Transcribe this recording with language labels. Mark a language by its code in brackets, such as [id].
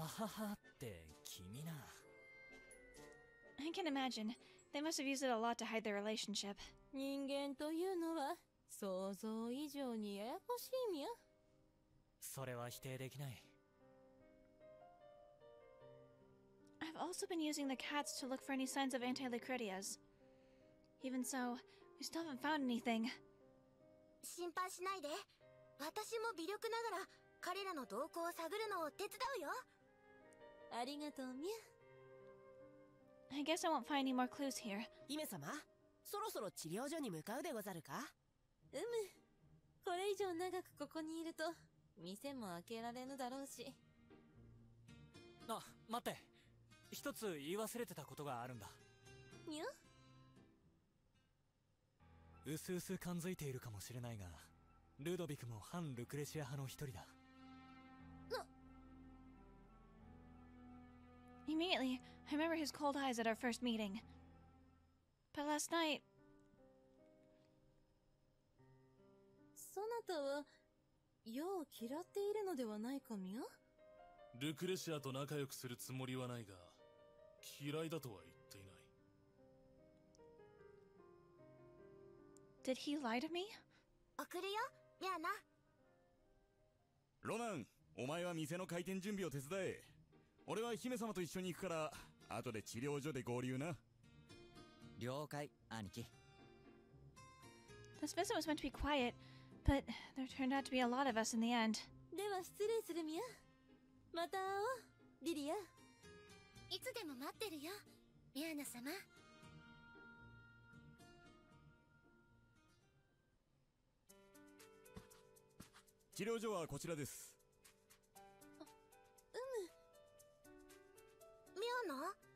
[ja] あははあははって君な。 [en] I can imagine. They must have used it a lot to hide their relationship. [ja] 人間というのは想像以上にややこしいみゃ。それは否定できない。 [en] I've also been using the cats to look for any signs of anti-Lucretias. Even so, we still haven't found anything. [ja] 心配しないで。私も微力ながら彼らの動向を探るのを手伝うよ。ありがとうみゃ。 [en] I guess I won't find any more clues here. [ja] 姫様、そろそろ治療所に向かうでござるか？うむ。これ以上長くここにいると、店も開けられぬだろうし。あ、待って。一つ言い忘れてたことがあるんだ。にゃ？うすうす感づいているかもしれないが、ルドビクも反ルクレシア派の一人だ。な。 [en] Immediately, I remember his cold eyes at our first meeting. But last night... [ja] そなたは、世を嫌っているのではないかみゃ？ルクレシアと仲良くするつもりはないが、嫌いだとは言っていない。 [en] Did he lie to me? [ja] 送るよ、ミアナ。ロナン、お前は店の開店準備を手伝え。俺は姫様と一緒に行くから、後で治療所で合流な。了解、兄貴。 [en] This visit was meant to be quiet, but there turned out to be a lot of us in the end. [ja] では失礼するミア。また会おう、リリア。いつでも待ってるよ、ミアナ様。治療所はこちらです。うむ。ミアナ？